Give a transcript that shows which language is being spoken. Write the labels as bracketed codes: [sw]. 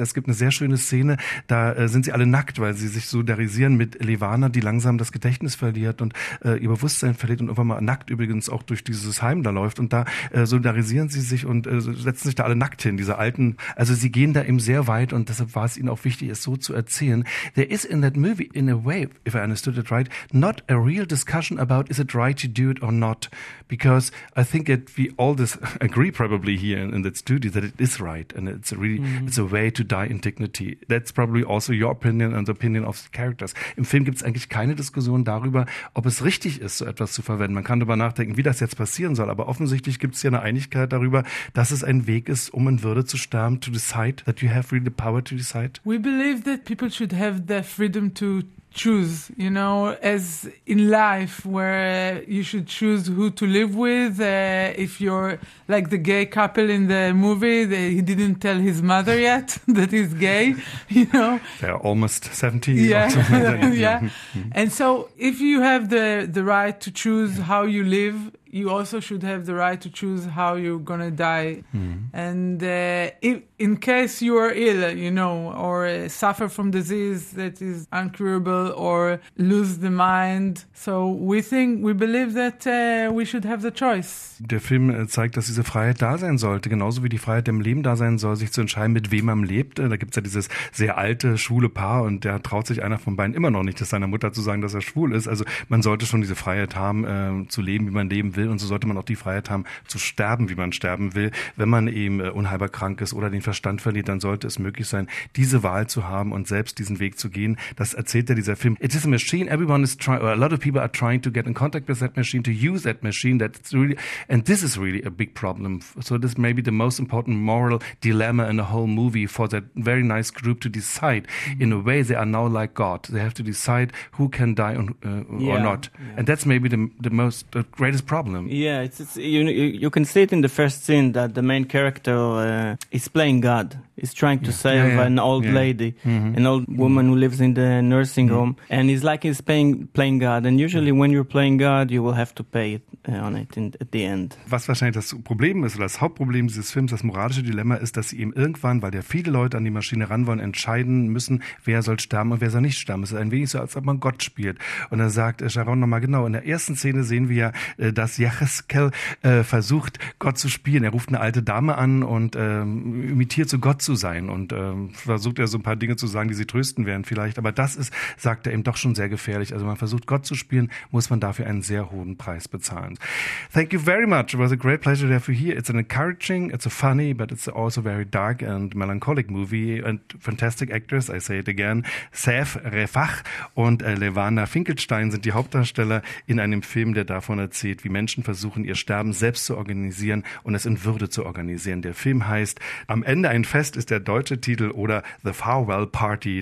[de] Es gibt eine sehr schöne Szene, da sind sie alle nackt, weil sie sich solidarisieren mit Levana, die langsam das Gedächtnis verliert und ihr Bewusstsein verliert und irgendwann mal nackt übrigens auch durch dieses Heim da läuft und da solidarisieren sie sich und setzen sich da alle nackt hin, diese Alten. Also sie gehen da eben sehr weit und deshalb war es ihnen auch wichtig, es so zu erzählen. [en] There is in that movie, in a way, if I understood it right, not a real discussion about is it right to do it or not, because I think that we all this agree probably here in that studio that it is right and it's a really, it's a way to die in dignity. That's probably also your opinion and the opinion of the characters. [de] Im Film gibt es eigentlich keine Diskussion darüber, ob es richtig ist, so etwas zu verwenden. Man kann darüber nachdenken, wie das jetzt passieren soll, aber offensichtlich gibt es hier eine Einigkeit darüber, dass es ein Weg ist, um in Würde zu sterben, [en] to decide that you have really the power to decide. We believe that people should have the freedom to choose, as in life, where you should choose who to live with. If you're like the gay couple in the movie, he didn't tell his mother yet that he's gay, They're almost 17. Yeah. Yeah. And so if you have the right to choose how you live, you also should have the right to choose how you're going to die. Mm-hmm. And in case you are ill, or suffer from disease that is incurable or lose the mind. So we believe that we should have the choice. [de] Der Film zeigt, dass diese Freiheit da sein sollte, genauso wie die Freiheit im Leben da sein soll, sich zu entscheiden, mit wem man lebt. Da gibt es ja dieses sehr alte, schwule Paar und der traut sich einer von beiden immer noch nicht, das seiner Mutter zu sagen, dass er schwul ist. Also man sollte schon diese Freiheit haben, zu leben, wie man leben will, und so sollte man auch die Freiheit haben, zu sterben, wie man sterben will. Wenn man eben unheilbar krank ist oder den Verstand verliert, dann sollte es möglich sein, diese Wahl zu haben und selbst diesen Weg zu gehen. Das erzählt ja dieser Film. [en] It is a machine. Everyone is trying, or a lot of people are trying to get in contact with that machine, to use that machine. That's really, and this is really a big problem. So this may be the most important moral dilemma in the whole movie for that very nice group to decide. In a way, they are now like God. They have to decide who can die or not. Yeah. And that's maybe the greatest problem. them. Yeah, it's you can see it in the first scene that the main character is playing God. He's trying to save an old lady, an old woman who lives in the nursing home. And he's like he's playing God. And usually when you're playing God, you will have to pay it, on it at the end. [de] Was wahrscheinlich das Problem ist, oder das Hauptproblem dieses Films, das moralische Dilemma ist, dass sie ihm irgendwann, weil ja viele Leute an die Maschine ran wollen, entscheiden müssen, wer soll sterben und wer soll nicht sterben. Es ist ein wenig so, als ob man Gott spielt. Und dann sagt Sharon nochmal genau, in der ersten Szene sehen wir ja, dass Yechezkel versucht, Gott zu spielen. Er ruft eine alte Dame an und imitiert so Gott zu sein und versucht er so ein paar Dinge zu sagen, die sie trösten werden vielleicht. Aber das ist, sagt er eben, doch schon sehr gefährlich. Also man versucht Gott zu spielen, muss man dafür einen sehr hohen Preis bezahlen. [en] Thank you very much. It was a great pleasure to have you here. It's an encouraging, it's a funny, but it's also very dark and melancholic movie. And fantastic actors, I say it again, [de] Saif Refah und Levana Finkelstein sind die Hauptdarsteller in einem Film, der davon erzählt, wie Menschen versuchen, ihr Sterben selbst zu organisieren und es in Würde zu organisieren. Der Film heißt Am Ende ein Fest ist der deutsche Titel oder The Farewell Party.